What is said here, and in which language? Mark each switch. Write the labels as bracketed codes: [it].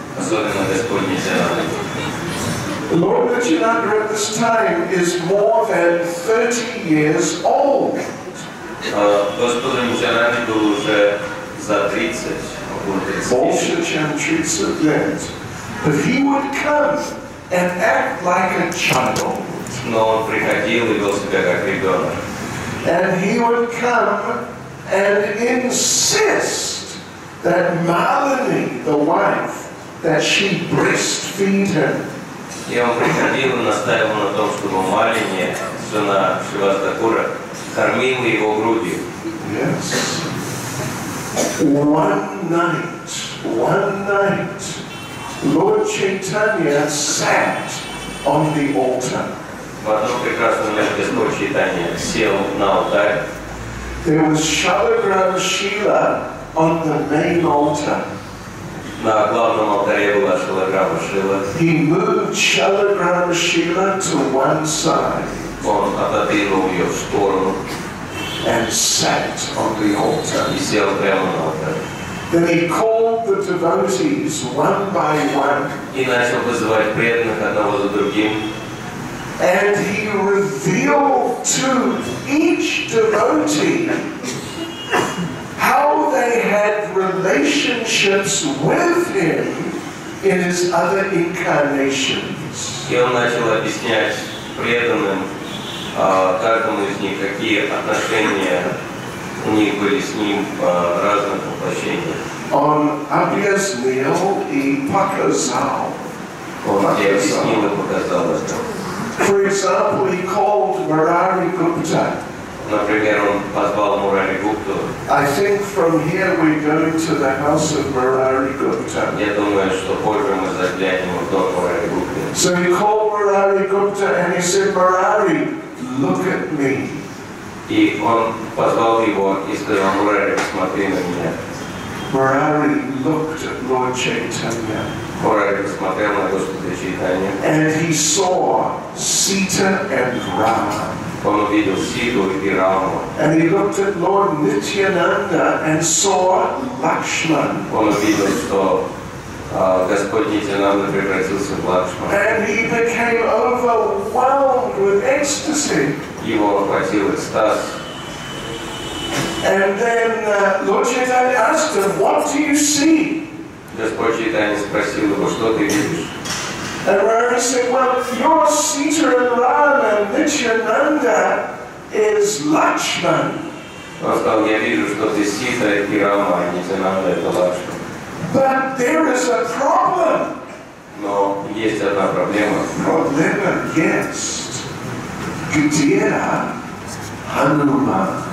[ru] Особенно Господь Нитянанда. [en] Lord Nityananda at this time is more than 30 years old. [ru] Господу Нитянанде был уже за 30. [en] But he would come and act like a child. [ru] Но он приходил и вел себя как ребенок. [en] And he would come and insist that Malini, the wife, that she breastfeed him. [ru] И он приходил и настаивал на том, чтобы Малини, жена Шривас Такура, кормила его грудью. [en] Yes. One night, one night, Lord Chaitanya sat on the altar. [ru] В одну прекрасную ночь Господь Чайтанья сел на алтарь. [en] There was Shalagram Shila on the main altar. [ru] На главном алтаре была Шалаграма Шила. [en] He moved Shalagram Shila to one side. [ru] Он отодвинул ее в сторону. [en] And sat on the altar. [ru] И сел прямо на алтарь. [en] Then he called the devotees one by one. [ru] И начал вызывать преданных одного за другим. [en] And he revealed to each devotee how they had relationships with him in his other incarnations. [ru] И он начал объяснять преданным каждому из них, какие отношения у них были с ним в разных воплощениях. On Abhya's meal he Pakazal. Он объяснил и показал это. [en] For example, he called Murari Gupta. [ru] Например, он позвал Мурари Гупту. [en] I think from here we go to the house of Murari Gupta. [ru] Я думаю, что позже мы заглянем в дом Мурари Гупты. [en] So he called Murari Gupta and he said, Murari, look at me. [ru] И он позвал его и сказал, Мурари, посмотри на меня. [en] Murari looked at Lord Chaitanya. [ru] Мурари посмотрел на Господа Чайтанью. [en] And he saw Sita and Rama. [ru] Он увидел Ситу и Раму. [en] And he looked at Lord Nityananda and saw Lakshman. [ru] Он увидел, что Господь Нитянанда превратился в Лакшман. [en] And he became overwhelmed with ecstasy. [ru] Его охватил экстаз. [en] And then Lord Chaitanya asked him, "What do you see?" [ru] Господь Чайтанья спросил его, что ты видишь? [en] And Murari said, well, your Sita and Rama and Nityananda is Lakshman. [ru] Он сказал, я вижу, что ты Сита и Рама, а Нитянанда это Лакшман. [en] But there is a problem. [ru] Но есть одна проблема. Проблема есть. Где Хануман?